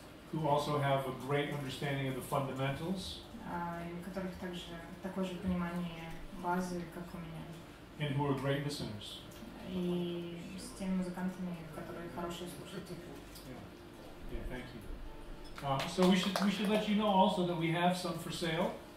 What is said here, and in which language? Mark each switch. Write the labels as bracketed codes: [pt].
[en] Who also have a great understanding of the fundamentals. [ru] И у которых также такое же понимание базы, как у меня. [en] And who are great listeners. [ru] И с теми музыкантами, которые хорошие слушатели. [en] Yeah, thank you. So we should let you know also that we have some for sale.